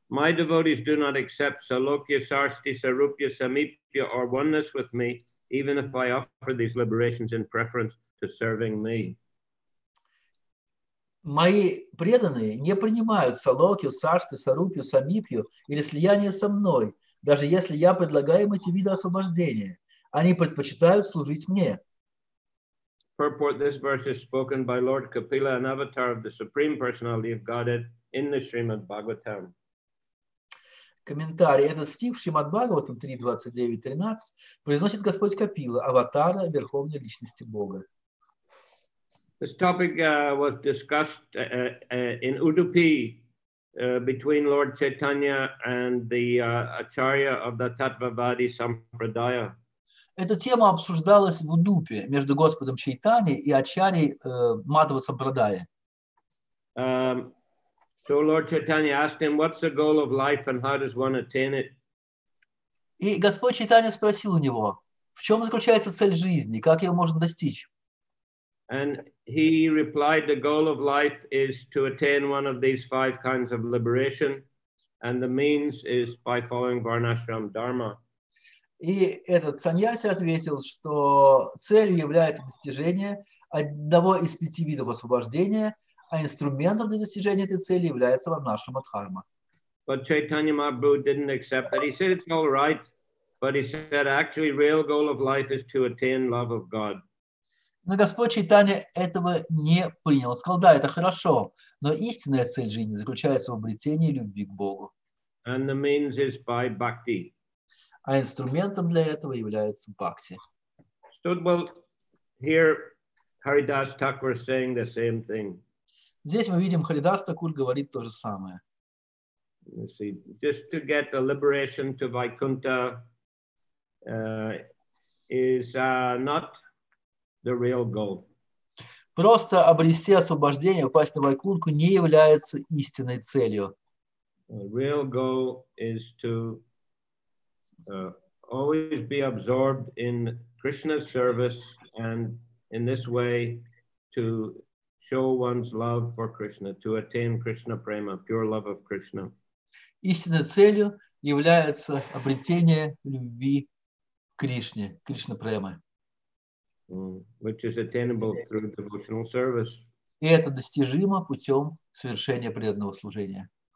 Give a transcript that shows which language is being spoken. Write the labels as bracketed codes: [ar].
[en] My devotees do not accept салукья шарсти сарупья самипья or oneness with me, even if I offer these liberations in preference to serving me. [ru] Мои преданные не принимают салокью, сарсти, сарупью, самипью или слияние со мной, даже если я предлагаю им эти виды освобождения. Они предпочитают служить мне. [en] Purport, this verse is spoken by Lord Kapila, an avatar of the Supreme Personality of Godhead in the Srimad Bhagavatam. [ru] Комментарий. Этот стих в Шримад Бхагаватам 3.29.13 произносит Господь Капила, аватара Верховной Личности Бога. [en] This topic was discussed in Udupi between Lord Chaitanya and the Acharya of the Tattvavadi Sampradaya. [ru] Эта тема обсуждалась в Удупе между Господом Чайтани и Ачарьей Мадхава Сампрадая. [en] So Lord Chaitanya asked him, what's the goal of life and how does one attain it? [ru] И Господь Чайтани спросил у него, в чем заключается цель жизни, как ее можно достичь? [en] And he replied, the goal of life is to attain one of these five kinds of liberation, and the means is by following Varnashram Dharma. [ru] И этот саньяси ответил, что целью является достижение одного из пяти видов освобождения, а инструментом для достижения этой цели является Варнашрама Дхарма. [en] But Chaitanya Mahaprabhu didn't accept that. He said, it's all right, but he said, actually, real goal of life is to attain love of God. [ru] Но Господь Чайтанья этого не принял. Он сказал, да, это хорошо, но истинная цель жизни заключается в обретении любви к Богу. [en] And the means is by bhakti. [ru] А инструментом для этого является бхакти. [en] So, well, here, Haridas Thakur saying the same thing. [ru] Здесь мы видим, Харидас Такур говорит то же самое. [en] Let's see. Just to get the liberation to Vaikuntha is not the real goal. [ru] Просто обрести освобождение, упасть на Вайкунку, не является истинной целью. [en] The real goal is to always be absorbed in Krishna's service and in this way to show one's love for Krishna, to attain Krishna prema, pure love of Krishna. [ru] Истинной целью является обретение любви к Кришне, Кришна према. [en] Which is attainable through devotional service. [ru] И это достижимо путем совершения преданного служения.